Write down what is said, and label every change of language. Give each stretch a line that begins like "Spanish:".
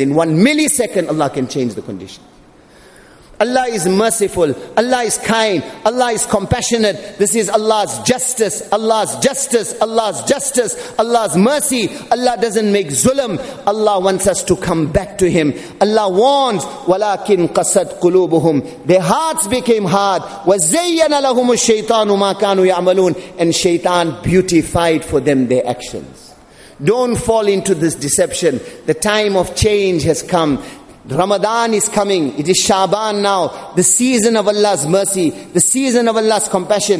English: In 1 millisecond, Allah can change the condition. Allah is merciful. Allah is kind. Allah is compassionate. This is Allah's justice. Allah's justice. Allah's justice. Allah's mercy. Allah doesn't make zulm. Allah wants us to come back to Him. Allah warns,
Arabic: وَلَكِنْ قَسَدْ قُلُوبُهُمْ.
English: Their hearts became hard.
Arabic: وَزَيَّنَ لَهُمُ الشَّيْطَانُ مَا كَانُوا يَعْمَلُونَ.
English: And Shaitan beautified for them their actions. Don't fall into this deception. The time of change has come. Ramadan is coming. It is Shaban now. The season of Allah's mercy. The season of Allah's compassion.